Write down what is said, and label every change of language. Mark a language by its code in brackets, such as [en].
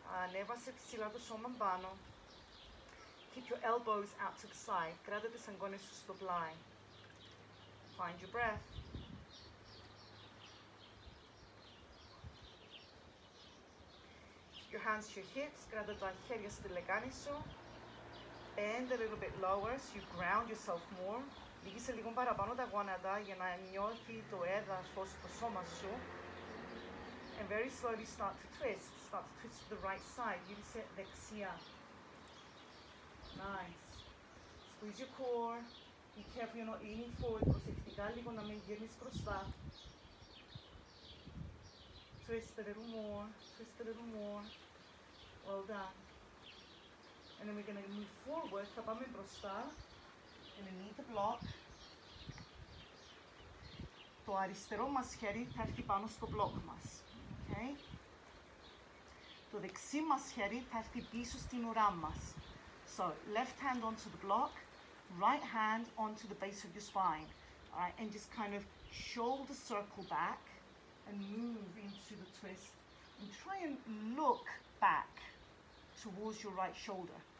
[el] Ανέβασε ψηλά το σώμα πάνω. [en] Keep your elbows out to the side. [el] Κράτα τις αγκώνες σου στο πλάι. [en] Find your breath. Keep your hands to your hips. [el] Κράτα τα χέρια στη λεκάνη σου. [en] Bend a little bit lower so you ground yourself more. [el] Λίγησε λίγο παραπάνω τα γόνατα για να νιώθει το έδαφος στο σώμα σου. [en] And very slowly start to twist. Start to twist to the right side. [el] Γύρισε δεξιά. [en] Nice. Squeeze your core. Be careful you're not leaning forward. [el] Προσεκτικά λίγο να μην γυρνείς μπροστά. [en] Twist a little more. Twist a little more. Well done. And then we're going to move forward. [el] Θα πάμε μπροστά. [en] And then knee to block. [el] Το αριστερό μας χέρι θα έρθει πάνω στο block μας. Okay. Το δεξί μας χέρι θα έρθει πίσω στην ουρά μας. [en] So, left hand onto the block, right hand onto the base of your spine. All right, and just kind of shoulder circle back and move into the twist. And try and look back towards your right shoulder.